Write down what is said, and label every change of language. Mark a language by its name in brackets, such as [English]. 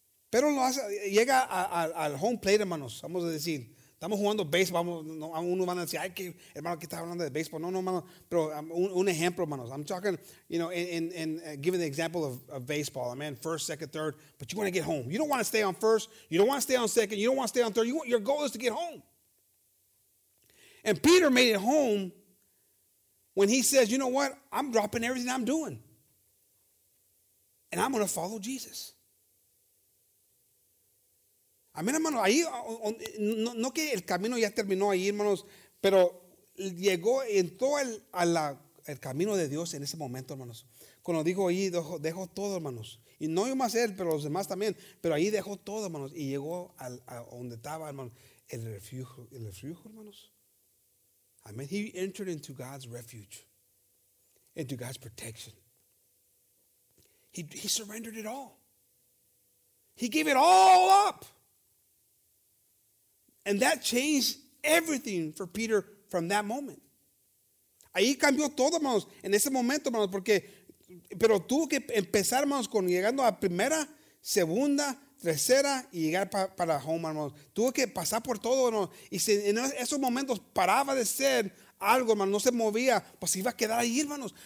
[Spanish] Pedro lo hace, llega al home plate, hermanos. Vamos a decir. Estamos jugando baseball. Uno van a decir, ay, que hermano, que está hablando de baseball. No, hermano. Pero un ejemplo, hermanos. [English] I'm talking, you know, in giving the example of baseball. Amen. First, second, third. But you want to get home. You don't want to stay on first. You don't want to stay on second. You don't want to stay on third. Your goal is to get home. And Peter made it home when he says, you know what? I'm dropping everything I'm doing. And I'm going to follow Jesus. [Spanish] Amén, hermano, ahí no que el camino ya terminó ahí, hermanos, pero llegó en todo el camino de Dios en ese momento, hermanos. Cuando dijo ahí, dejó todo, hermanos. Y no yo más él, pero los demás también. Pero ahí dejó todo, hermanos, y llegó a donde estaba, hermanos, el refugio, hermanos. [English] Amén. He entered into God's refuge, into God's protection. He surrendered it all. He gave it all up. And that changed everything for Peter from that moment. [Spanish] Ahí cambió todo, hermanos, en ese momento, hermanos, porque, pero tuvo que empezar, hermanos, con llegando a primera, segunda, tercera, y llegar para home, hermanos. Tuvo que pasar por todo, hermanos, y si en esos momentos paraba de ser algo, hermanos, no se movía, pues se iba a quedar ahí, hermanos.